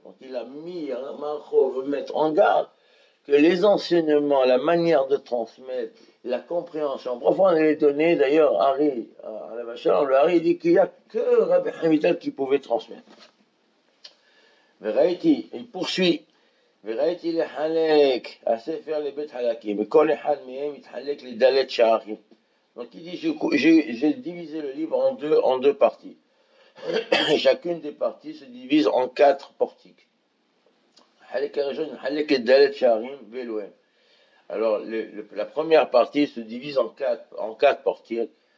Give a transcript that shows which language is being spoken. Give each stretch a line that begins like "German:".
French: Donc il a mis à Marco, veut mettre en garde que les enseignements, la manière de transmettre, la compréhension profonde, elle est donnée, d'ailleurs, Harry, à la Vachalam, le Harry dit qu'il n'y a que Rabbi Chaim Vital qui pouvait transmettre. Mais Raïti, il poursuit,
Hebrew: וראיתי לחלק הספר לבית חלקים, וכל אחד מהם התחלק לדלת שערים.
French: Donc il dit, j'ai divisé le livre en deux parties. Et chacune des parties se divise en quatre portiques. Alors la première partie se divise en quatre portiques.